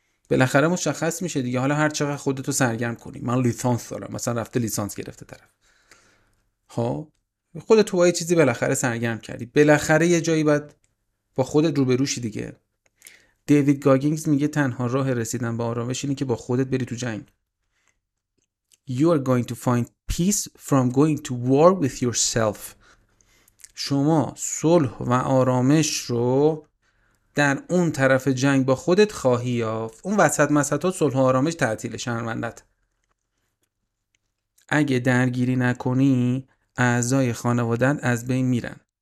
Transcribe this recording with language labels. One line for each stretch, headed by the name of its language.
Persian: بالاخره مشخص میشه دیگه، حالا هر چقدر خودتو سرگرم کنی، من لیسانس دارم مثلا، رفته لیسانس گرفته طرف، خودتو با یه چیزی بالاخره سرگرم کردی، بالاخره یه جایی باید با خودت روبروشی دیگه. دیوید گاگینز میگه تنها راه رسیدن به آرامش اینه که با خودت بری تو جنگ.
English: You are going to find peace from going to war with yourself.
Persian: شما صلح و آرامش رو در اون طرف جنگ با خودت خواهی یافت. اون وسط مسطا صلح و آرامش تعطیل شرمندت. اگه درگیری نکنی اعضای خانوادت از بین میرن.